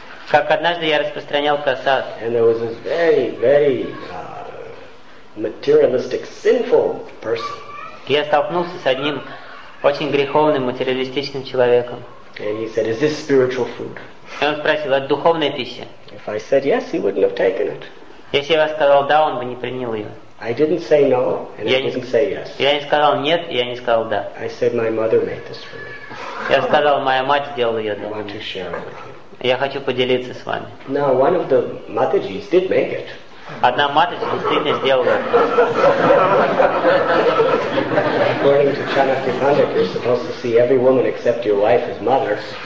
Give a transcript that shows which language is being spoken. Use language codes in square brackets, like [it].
[ru] Как однажды я распространял прасад. [en] And there was this very, very materialistic, sinful person. [ru] Я столкнулся с одним очень греховным, материалистичным человеком. [en] And he said, "Is this spiritual food?" [ru] И он спросил: "Это духовная пища?" [en] If I said yes, he wouldn't have taken it. [ru] Если я сказал да, он бы не принял ее. [en] I didn't say no, and I didn't say yes. [ru] Я не сказал нет, я не сказал да. [en] I said my mother made this for me. [ru] Я сказал, моя мать сделала ее для меня. [en] I want to share with you. [ru] Я хочу поделиться с вами. [en] Now one of the Матаджис did make it. [ru] Одна матаджи действительно сделала. [en] According to Chanakya Pandit, you're supposed to see every woman except your wife as mother.